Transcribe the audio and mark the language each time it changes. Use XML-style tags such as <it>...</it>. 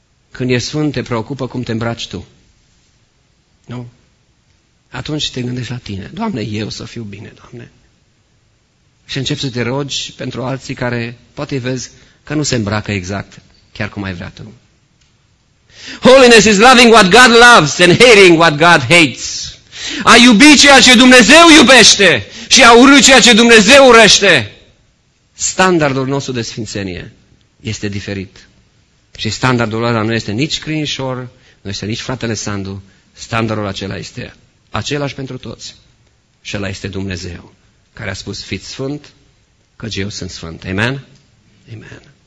<ro>Când e sfânt, te preocupă cum te îmbraci tu. Nu? Atunci te gândești la tine. Doamne, eu să fiu bine, Doamne. Și începi să te rogi pentru alții care poate vezi că nu se îmbracă exact chiar cum ai vrea tu.</ro> <en>Holiness is loving what God loves and hating what God hates.</en> <ro>A iubi ceea ce Dumnezeu iubește și a urâi ceea ce Dumnezeu urăște. Standardul nostru de sfințenie este diferit. Și standardul ăla nu este nici Crinșor, nu este nici fratele Sandu. Standardul acela este același pentru toți. Și ăla este Dumnezeu, care a spus, fiți sfânt, căci eu sunt sfânt. Amen? Amen.</ro>